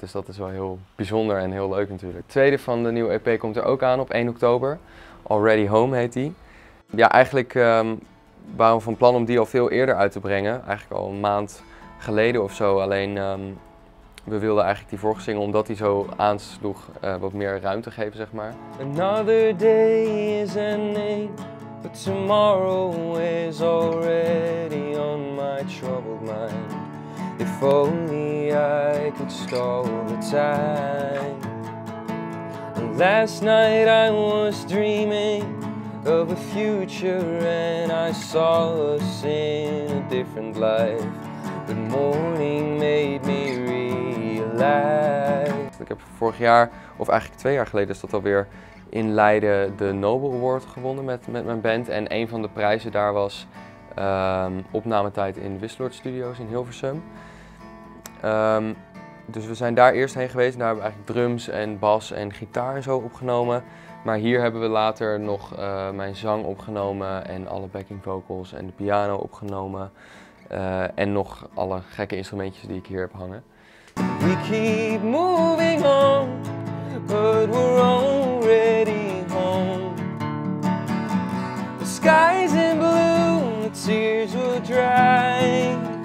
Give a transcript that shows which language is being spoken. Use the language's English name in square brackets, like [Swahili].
[Dutch] Dus dat is wel heel bijzonder en heel leuk natuurlijk. Het tweede van de nieuwe EP komt er ook aan op 1 oktober. Already Home heet die. Ja, eigenlijk waren we van plan om die al veel eerder uit te brengen. Eigenlijk al een maand geleden of zo. Alleen we wilden eigenlijk die vorige single, omdat die zo aansloeg, wat meer ruimte geven, zeg maar. [English] Another day is an end, but tomorrow is already on my troubled mind. If only I could stall the time. And last night I was dreaming of a future and I saw us in a different life. The morning made me realize. [Dutch] Ik heb vorig jaar, of eigenlijk 2 jaar geleden is dat alweer, in Leiden de Nobel Award gewonnen met mijn band. En een van de prijzen daar was opnametijd in Wisseloord Studios in Hilversum. Dus we zijn daar eerst heen geweest. Daar hebben we eigenlijk drums en bas en gitaar en zo opgenomen. Maar hier hebben we later nog mijn zang opgenomen en alle backing vocals en de piano opgenomen. En nog alle gekke instrumentjes die ik hier heb hangen. [English] We keep moving on, but we're already home. The sky's in blue, the tears will dry.